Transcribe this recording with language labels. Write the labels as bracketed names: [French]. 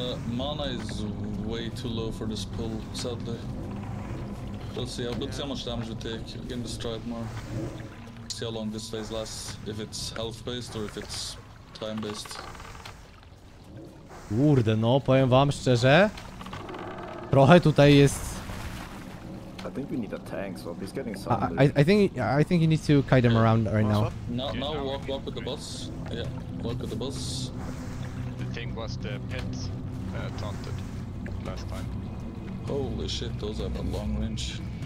[English] Mana is way too low for this pull, sadly. Let's see how much damage we take. We can destroy it more. See how long this phase lasts. If it's health based or if it's time based. [Polish] Kurde, no, powiem wam szczerze. Trochę tutaj jest. [English] I think we need a tank, so he's getting some. I think you need to kite him around right now. Now walk with the boss. Yeah, walk with the boss. The thing was the pet taunted last time. Holy shit, those have a long range.